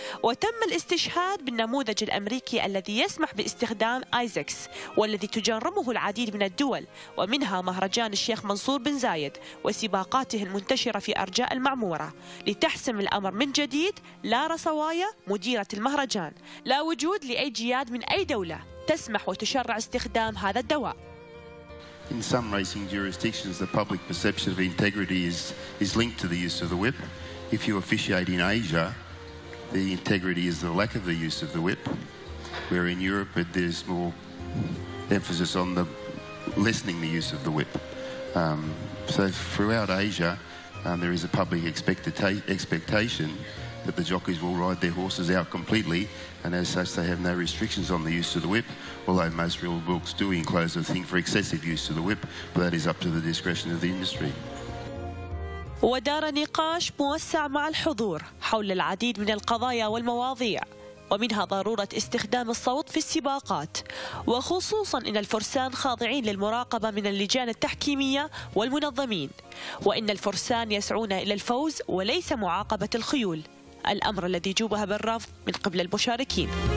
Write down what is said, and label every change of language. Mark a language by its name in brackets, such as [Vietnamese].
[Arabic] وتم الاستشهاد بالنموذج الأمريكي الذي يسمح باستخدام آيزكس والذي تجرمه العديد من الدول، ومنها مهرجان الشيخ منصور بن زايد وسباقاته المنتشرة في أرجاء المعمورة. لتحسم الأمر من جديد، لارا صوايا مديرة المهرجان: لا وجود لأي جياد من أي دولة تسمح وتشرع استخدام هذا الدواء. [English] In some racing jurisdictions, the public perception of integrity is linked to the use of the whip. If you officiate in Asia, the integrity is the lack of the use of the whip, where in Europe there's more emphasis on the lessening the use of the whip. So throughout Asia, there is a public expectation that the jockeys will ride their horses out completely, and as such they have no restrictions on the use of the whip, although most rule books do enclose a thing for excessive use of the whip, but that is up to the discretion of the industry. [Arabic] ودار نقاش موسع مع الحضور حول العديد من القضايا والمواضيع، ومنها ضرورة استخدام الصوت في السباقات، وخصوصا إن الفرسان خاضعين للمراقبة من اللجان التحكيمية والمنظمين، وإن الفرسان يسعون إلى الفوز وليس معاقبة الخيول، الأمر الذي جوبها بالرفض من قبل المشاركين.